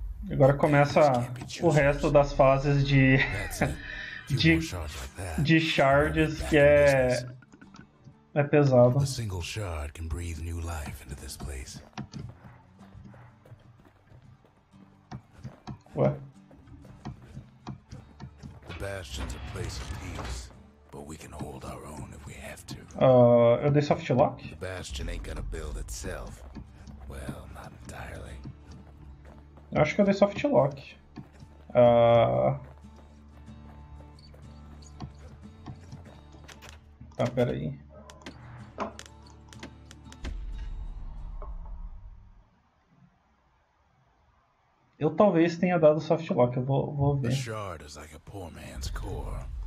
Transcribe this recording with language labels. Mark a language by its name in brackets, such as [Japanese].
[Portuguese] Agora começa o resto das fases de shards, que é pesado. [English] Single shard can breathe new life into this place. Ué? The Bastion's a place of peace, but we can hold our own if we have to. [Portuguese] Eu dei soft lock. [English] The Bastion ain't gonna build itself. Well, not entirely. [Portuguese] Eu acho que eu dei soft lock. Tá, pera aí. Eu talvez tenha dado soft lock, eu vou ver. [English] The shard is like a poor man's core.